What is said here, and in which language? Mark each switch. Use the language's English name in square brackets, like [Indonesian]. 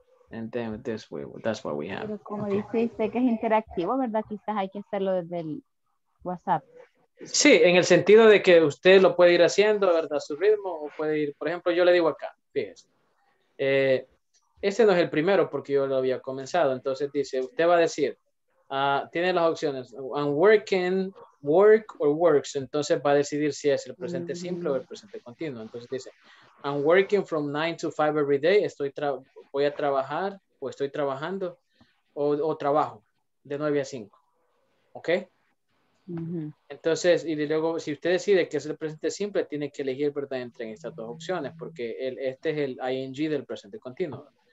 [English] And then this way, that's what we have. [Spanish] Pero como okay. dice, sé que es interactivo, ¿verdad? Quizás hay que hacerlo desde el WhatsApp. Sí, en el sentido de que usted lo puede ir haciendo, ¿verdad? A su ritmo, o puede ir, por ejemplo, yo le digo acá, fíjese. Este no es el primero porque yo lo había comenzado. Entonces dice, usted va a decir, tiene las opciones, [English] I'm working, work or works. [Spanish] Entonces va a decidir si es el presente mm-hmm. simple o el presente continuo. Entonces dice, [English] I'm working from 9 to 5 every day. [Spanish] Voy a trabajar o estoy trabajando o trabajo de 9 a 5. ¿Ok? Mm-hmm. Entonces, y luego, si usted decide que es el presente simple, tiene que elegir, ¿verdad? Entre estas dos opciones porque este es el ing del presente continuo.